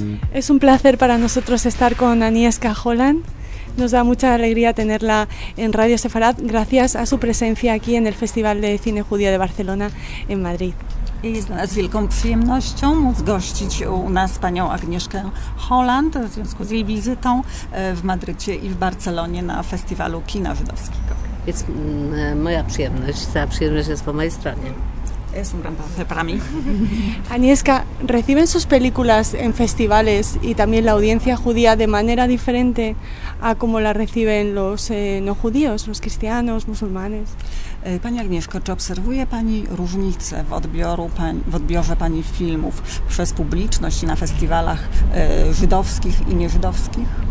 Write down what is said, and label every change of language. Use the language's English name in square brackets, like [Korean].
[Spanish] Es un placer para nosotros estar con Agnieszka Holland. Nos da mucha alegría tenerla en Radio Sefarad gracias a su presencia aquí en el Festival de Cine Judío de Barcelona en Madrid. [Polish] I jest dla nas wielką przyjemnością móc gościć u nas panią Agnieszkę Holland w związku z jej wizytą w Madrycie i w Barcelonie na Festiwalu Kina Żydowskiego. Jest moja przyjemność, ta przyjemność jest po mojej stronie. [Spanish] Es un gran placer para mí. Agnieszka, ¿reciben sus películas en festivales y también la audiencia judía de manera diferente a como la reciben los no judíos, los cristianos, musulmanes? [Polish] Pani Agnieszko, czy obserwuje Pani różnicę w odbiorze Pani filmów przez publiczność na festiwalach żydowskich i nieżydowskich?